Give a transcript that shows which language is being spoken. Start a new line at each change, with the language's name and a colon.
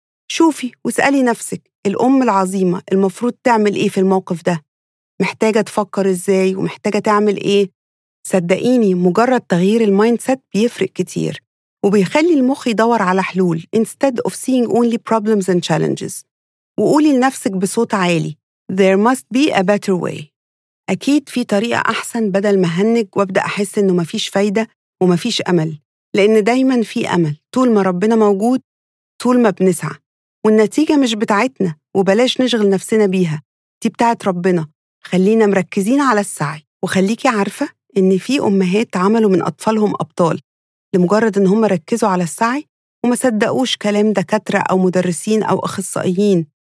Arabic: شوفي واسألي نفسك الأم العظيمة المفروض تعمل إيه في الموقف ده، محتاجة تفكر إزاي ومحتاجة تعمل إيه. صدقيني مجرد تغيير المايند سيت بيفرق كتير، وبيخلي المخ يدور على حلول
English: instead of seeing only problems and challenges.
Arabic: وقولي لنفسك بصوت عالي
English: There must be a better way.
Arabic: أكيد في طريقة أحسن بدل ما هنج وأبدأ أحس إنه مفيش فايدة ومفيش أمل، لأن دايماً في أمل طول ما ربنا موجود، طول ما بنسعى، والنتيجة مش بتاعتنا وبلاش نشغل نفسنا بيها، دي بتاعت ربنا. خلينا مركزين على السعي، وخليكي عارفة إن في أمهات عملوا من أطفالهم أبطال لمجرد إن هم ركزوا على السعي وما صدقوش كلام دكاترة أو مدرسين أو أخصائيين.